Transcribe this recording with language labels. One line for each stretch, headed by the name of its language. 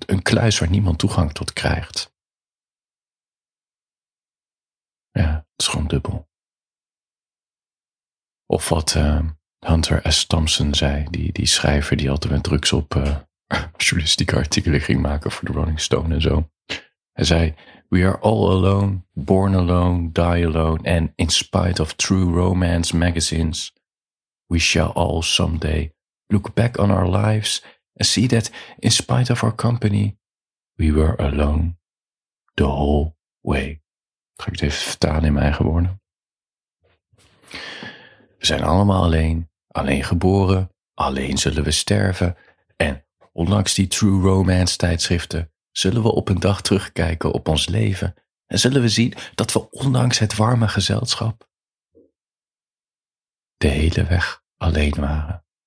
Dutch: Een kluis waar niemand toegang tot krijgt. Ja, het is gewoon dubbel. Of wat Hunter S. Thompson zei, die schrijver die altijd met drugs op... journalistieke artikelen ging maken voor de Rolling Stone en zo. Hij zei,
English: we are all alone, born alone, die alone, and in spite of true romance magazines, we shall all someday look back on our lives and see that in spite of our company, we were alone the whole way.
Dutch: Ga ik het even vertalen in mijn eigen woorden? We zijn allemaal alleen, alleen geboren, alleen zullen we sterven. En ondanks die true romance tijdschriften, zullen we op een dag terugkijken op ons leven. En zullen we zien dat we ondanks het warme gezelschap de hele weg alleen waren.